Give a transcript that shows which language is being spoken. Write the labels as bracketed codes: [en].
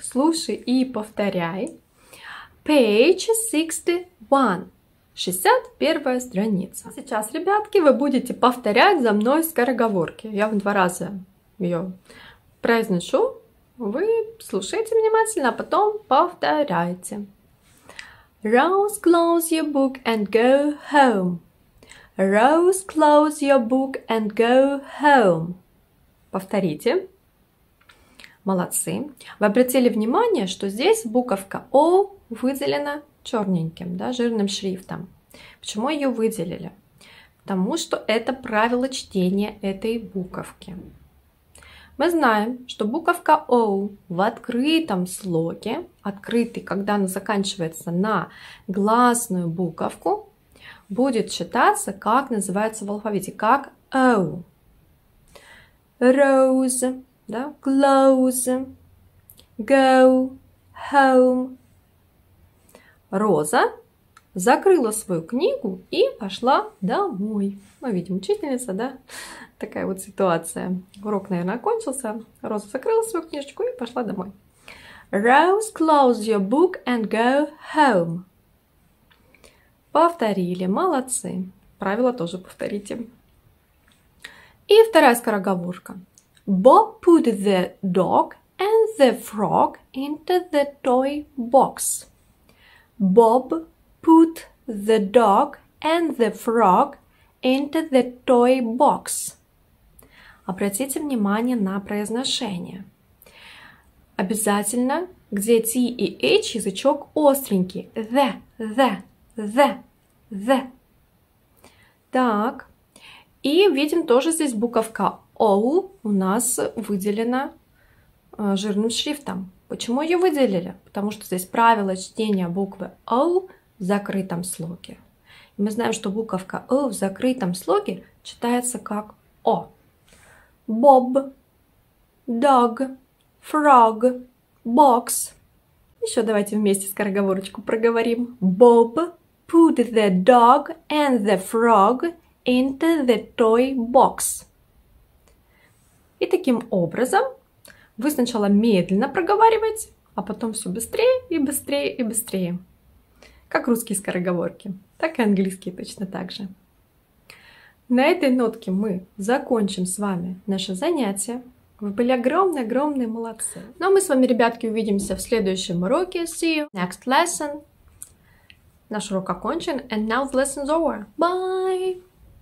[ru] Слушай и повторяй. [en] Page 61. [ru] 61 страница. Сейчас, ребятки, вы будете повторять за мной скороговорки. Я вам два раза ее произношу. Вы слушайте внимательно, а потом повторяйте. [en] Rose, close your book and go home. Rose, close your book and go home. [ru] Повторите. Молодцы. Вы обратили внимание, что здесь буковка О выделена черненьким, да, жирным шрифтом. Почему ее выделили? Потому что это правило чтения этой буковки. Мы знаем, что буковка О в открытом слоге, открытый, когда она заканчивается на гласную буковку, будет читаться, как называется в алфавите, как О. [en] Rose, [ru] да? [en] Close, go, home. [ru] Роза закрыла свою книгу и пошла домой. Мы видим учительница, да? Такая вот ситуация. Урок, наверное, окончился. Роза закрыла свою книжечку и пошла домой. [en] Rose, close your book and go home. [ru] Повторили. Молодцы. Правила тоже повторите. И вторая скороговорка. [en] Bob put the dog and the frog into the toy box. Bob put the dog and the frog into the toy box. [ru] Обратите внимание на произношение. Обязательно, где T и H, язычок остренький. [en] The, the, the, the. [ru] Так. И видим тоже здесь буковка O у нас выделена жирным шрифтом. Почему ее выделили? Потому что здесь правило чтения буквы O в закрытом слоге. И мы знаем, что буковка O в закрытом слоге читается как O. [en] Bob, dog, frog, box. [ru] Еще давайте вместе скороговорочку проговорим. [en] Bob put the dog and the frog into the toy box. [ru] И таким образом вы сначала медленно проговариваете, а потом все быстрее и быстрее и быстрее. Как русские скороговорки, так и английские точно так же. На этой нотке мы закончим с вами наше занятие. Вы были огромные-огромные молодцы. Ну, а мы с вами, ребятки, увидимся в следующем уроке. [en] See you next lesson. [ru] Наш урок окончен. [en] And now the lesson's over. Bye!